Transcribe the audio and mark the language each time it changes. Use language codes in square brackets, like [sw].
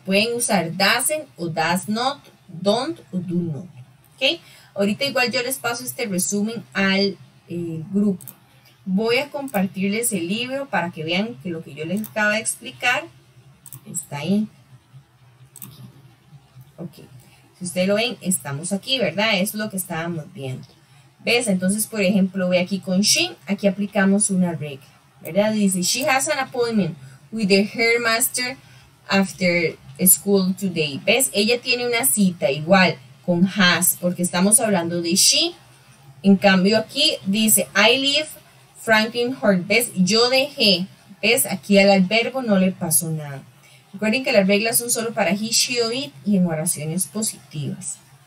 [es] Pueden usar doesn't o does not, don't o do not. ¿Okay? Ahorita igual yo les paso este resumen al grupo. Voy a compartirles el libro para que vean que lo que yo les acabo de explicar está ahí. Ok. Si ustedes lo ven, estamos aquí, ¿verdad? Eso es lo que estábamos viendo. ¿Ves? Entonces, por ejemplo, voy aquí con she. Aquí aplicamos una regla, ¿verdad? Dice, [en] she has an appointment with the hairmaster after school today. [es] ¿Ves? Ella tiene una cita igual con has, porque estamos hablando de she. En cambio aquí dice, [en] I leave Franklin Hurt. [es] ¿Ves? Yo dejé. ¿Ves? Aquí al verbo no le pasó nada. Recuerden que las reglas son solo para he, she o it y en oraciones positivas.